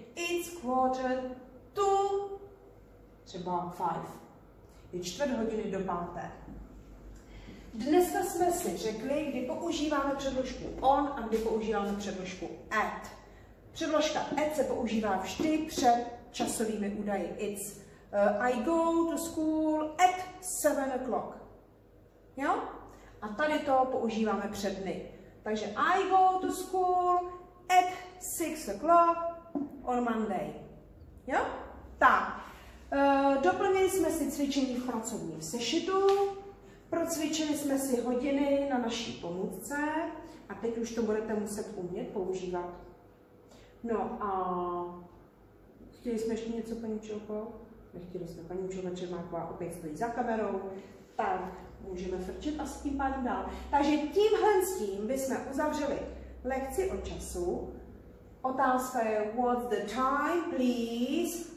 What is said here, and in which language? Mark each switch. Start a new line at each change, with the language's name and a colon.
English: It's quarter to
Czech: třeba 5. Je 15 minut do 5. Dneska jsme si řekli, kdy používáme předložku on a kdy používáme předložku at. Předložka at se používá vždy před časovými údaji.
English: It's I go to school at 7 o'clock.
Czech: Jo? A tady to používáme před dny. Takže
English: I go to school at 6 o'clock on Monday.
Czech: Jo? Tak, doplnili jsme si cvičení v pracovním sešitu. Procvičili jsme si hodiny na naší pomůcce a teď už to budete muset umět používat. No a chtěli jsme ještě něco, paní Čelko? Nechtěli jsme, paní Čelko Čermáková opět stojí za kamerou, tak můžeme frčet a s tím pádem dál. Takže tímhle s tím bychom uzavřeli lekci o času. Otázka je,
English: what's the time, please?